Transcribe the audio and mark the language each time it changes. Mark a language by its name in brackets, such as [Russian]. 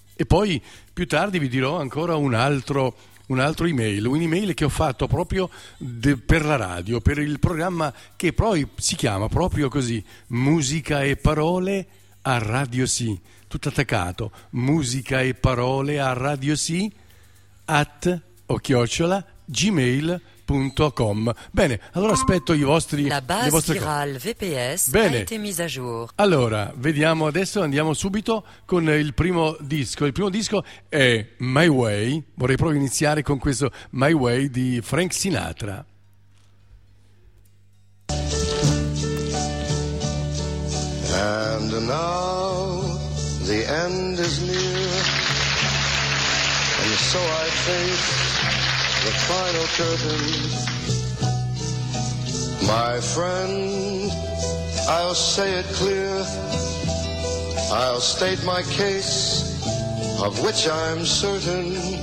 [Italian] E poi più tardi vi dirò ancora un altro email, un'email che ho fatto proprio per la radio, per il programma che poi si chiama proprio così, Musica e Parole a Radio Sì, tutto attaccato, Musica e Parole a Radio Sì @gmail.com. Bene, allora aspetto i vostri... [French] La base virale VPS ha été mise à jour. [Italian] Allora, vediamo adesso, andiamo subito con il primo disco. Il primo disco è My Way. Vorrei proprio iniziare con questo My Way di Frank Sinatra. [English] And now the end is near, and so I face the final curtain. My friend, I'll say it clear, I'll state my case, of which I'm certain.